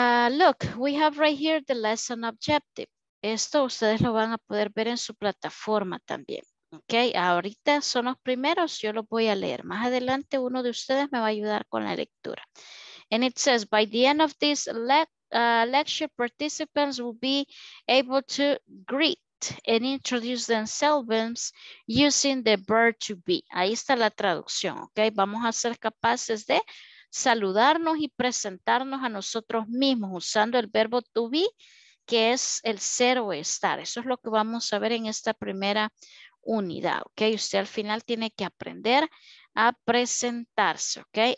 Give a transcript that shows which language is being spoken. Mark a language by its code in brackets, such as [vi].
[en] Look, we have right here the lesson objective. [es] Esto ustedes lo van a poder ver en su plataforma también, ¿ok? Ahorita son los primeros, yo los voy a leer. Más adelante uno de ustedes me va a ayudar con la lectura. [en] And it says, by the end of this lecture, participants will be able to greet and introduce themselves using the verb to be. [es] Ahí está la traducción, ¿ok? Vamos a ser capaces de saludarnos y presentarnos a nosotros mismos usando el verbo to be, que es el ser o estar. Eso es lo que vamos a ver en esta primera unidad, ¿ok? Usted al final tiene que aprender a presentarse, ¿ok?